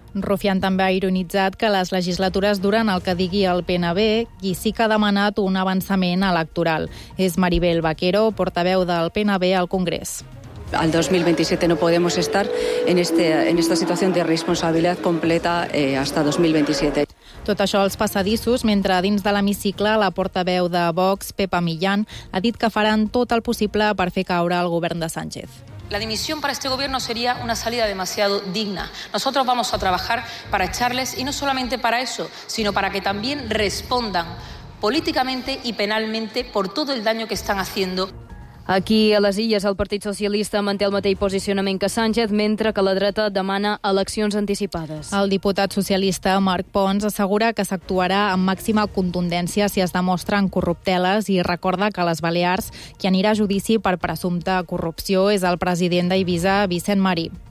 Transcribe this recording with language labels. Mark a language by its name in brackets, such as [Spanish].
[Catalan] Rufián també ha ironitzat que les legislatures duren el que digui el PNB i sí que ha demanat un avançament electoral. És Maribel Vaquero, portaveu del PNB al Congrés. [Spanish] Al 2027 no podemos estar en esta situación de responsabilidad completa hasta 2027. [Catalan] Tot això als passadissos, mentre dins de l'hemicicle la portaveu de Vox, Pepa Millán, ha dit que faran tot el possible per fer caure el govern de Sánchez. [Spanish] La dimisión para este gobierno sería una salida demasiado digna. Nosotros vamos a trabajar para echarles, y no solamente para eso, sino para que también respondan políticamente y penalmente por todo el daño que están haciendo. [Catalan] Aquí, a les Illes, el Partit Socialista manté el mateix posicionament que Sánchez, mentre que la dreta demana eleccions anticipades. El diputat socialista Marc Pons assegura que s'actuarà amb màxima contundència si es demostren corrupteles i recorda que a les Balears qui anirà a judici per presumpta corrupció és el president d'Eivissa, Vicent Marí.